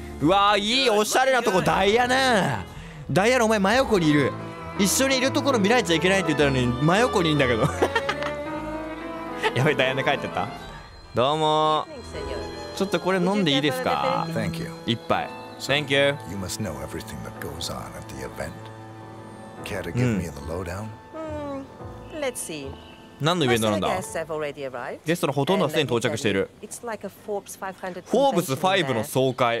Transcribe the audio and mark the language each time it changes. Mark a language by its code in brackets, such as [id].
[ja] うわーいいおしゃれなとこ。ダイヤな、ダイヤのお前真横にいる、一緒にいるところ見られちゃいけないって言ったのに真横にいるんだけどやばい、ダイヤで帰ってった。どうもー、ちょっとこれ飲んでいいですか、一杯。 [en] Thank you. You must know everything that goes on at the event. Care to give me the lowdown? Let's see. [ja] 何のイベントなんだ。ゲストのほとんどはすでに到着している。フォーブス5の総会。